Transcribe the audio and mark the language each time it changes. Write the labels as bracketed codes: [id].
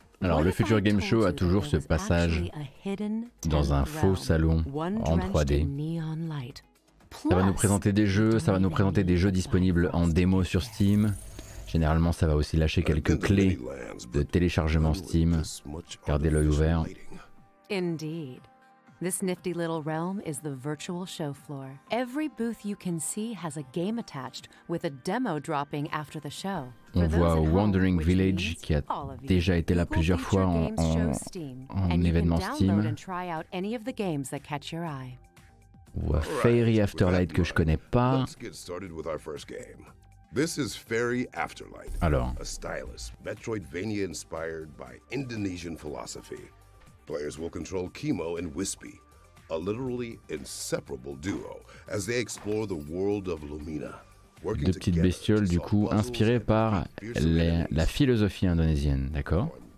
[fr] Alors, le futur game show a toujours ce passage dans un faux salon en 3D. Ça va nous présenter des jeux, ça va nous présenter des jeux disponibles en démo sur Steam. Généralement, ça va aussi lâcher quelques clés de téléchargement Steam. Gardez l'œil ouvert. [en] Indeed. This nifty little realm is the virtual show floor. Every booth you can see has a game attached, with a demo dropping after the show. [fr] On voit Wandering Village qui a déjà été là plusieurs fois en événement Steam. [en] And try out any of the games that catch your eye. [fr] On voit Faery Afterlife que je connais pas. [en] Let's get started with our first game. This is Faery Afterlife. [fr] Alors. [en] A stylus, Metroidvania inspired by Indonesian philosophy. Players will control Kimo and Wispy, a literally inseparable duo, as they explore the world of Lumina. [fr] Deux petites bestioles, du coup, inspirées par la philosophie indonésienne, d'accord?